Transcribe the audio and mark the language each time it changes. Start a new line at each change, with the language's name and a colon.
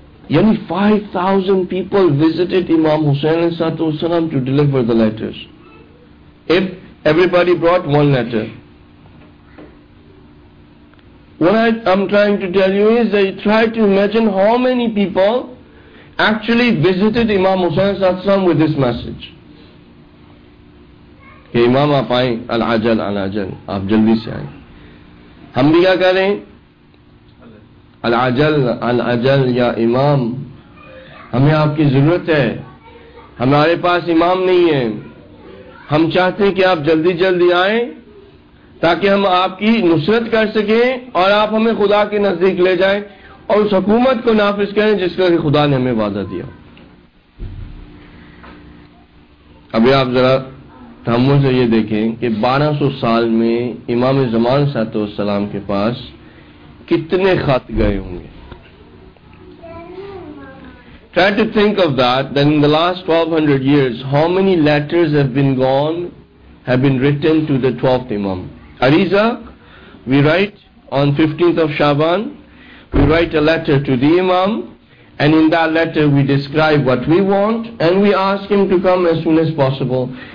English: Yani 5,000 people visited Imam Hussain Sattu Salam to deliver the letters. If everybody brought one letter. What I'm trying to tell you is that you try to imagine how many people actually visited Imam Hussain Sattu Salam with this message.
Hindi: कि इमाम आप आए, अल-अजल अल-अजल, आप जल्दी से आए। हम भी क्या कह रहे हैं, अल-अजल अल-अजल या इमाम, हमें आपकी जरूरत है, हमारे पास इमाम नहीं है, हम चाहते हैं कि आप जल्दी जल्दी आए ताकि हम आपकी नुसरत कर सकें और आप हमें खुदा के नजदीक ले जाएं और उस हुकूमत को नाफिज करें जिसका कि खुदा ने हमें वादा दिया। अभी आप जरा हम मुझे ये देखें कि 1200 साल में इमाम जमान सातो सलाम के पास कितने खत गए होंगे।
English: Try to think of that in the last 1200 years, how many letters have been written to the 12th Imam? Ariza, we write on 15th of Shaban, we write a letter to the Imam, and in that letter we describe what we want and we ask him to come as soon as possible.